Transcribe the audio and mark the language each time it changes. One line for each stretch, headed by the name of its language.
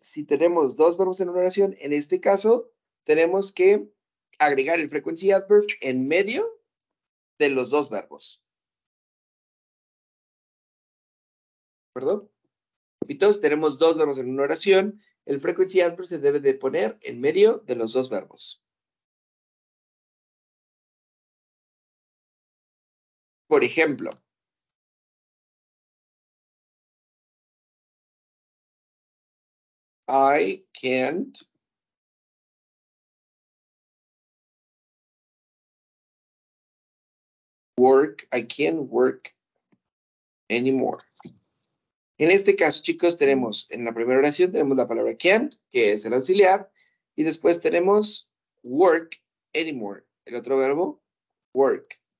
Spanish: Si tenemos dos verbos en una oración, en este caso, tenemos que agregar el frequency adverb en medio de los dos verbos. ¿Perdón? Repito, si tenemos dos verbos en una oración, el frequency adverb se debe de poner en medio de los dos verbos. Por ejemplo,
English: I can't work, I can't work anymore.
Spanish: En este caso, chicos, tenemos en la primera oración, tenemos la palabra can't, que es el auxiliar, y después tenemos work anymore, el otro verbo, work.